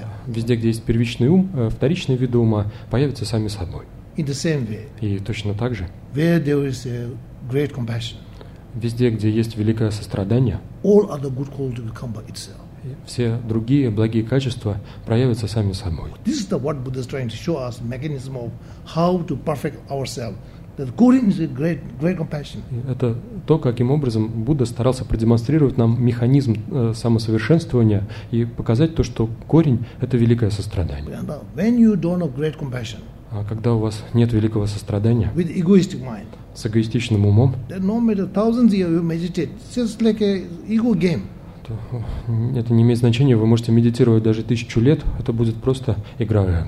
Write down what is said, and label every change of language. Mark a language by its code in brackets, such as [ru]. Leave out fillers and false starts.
[ru] Везде, где есть первичный ум, вторичные виды ума появятся сами собой. [en] In the same way. [ru] И точно так же. [en] Where there is a great compassion. [ru] Везде, где есть великое сострадание. [en] All other good qualities will come by itself. [ru] Все другие благие качества проявятся сами собой. [en] This is the what Buddha is trying to show us mechanism of how to perfect ourselves. That Kurin is a great, great compassion. [ru] Это то, каким образом Будда старался продемонстрировать нам механизм самосовершенствования и показать то, что корень – это великое сострадание. [en] When you don't have great compassion, [ru] а когда у вас нет великого сострадания, [en] with egoistic mind, [ru] с эгоистичным умом, [en] then no matter thousands of years you meditate, it's just like a ego game. [ru] То это не имеет значения, вы можете медитировать даже тысячу лет, это будет просто игра.